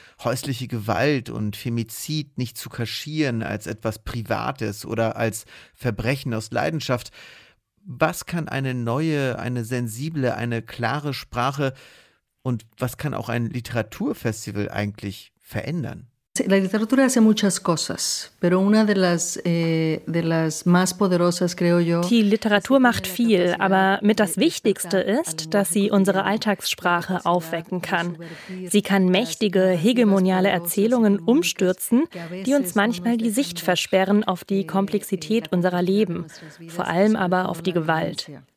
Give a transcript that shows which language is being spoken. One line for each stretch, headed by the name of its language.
German: Häusliche Gewalt und Femizid nicht zu kaschieren als etwas Privates oder als Verbrechen aus Leidenschaft. Was kann eine neue, eine sensible, eine klare Sprache und was kann auch ein Literaturfestival eigentlich verändern?
Spanish: La literatura hace muchas cosas, pero una de las más poderosas, creo yo.
German: Die Literatur macht viel, aber mit das Wichtigste ist, dass sie unsere Alltagssprache aufwecken kann. Sie kann mächtige, hegemoniale Erzählungen umstürzen, die uns manchmal die Sicht versperren auf die Komplexität unserer Leben, vor allem aber auf die Gewalt.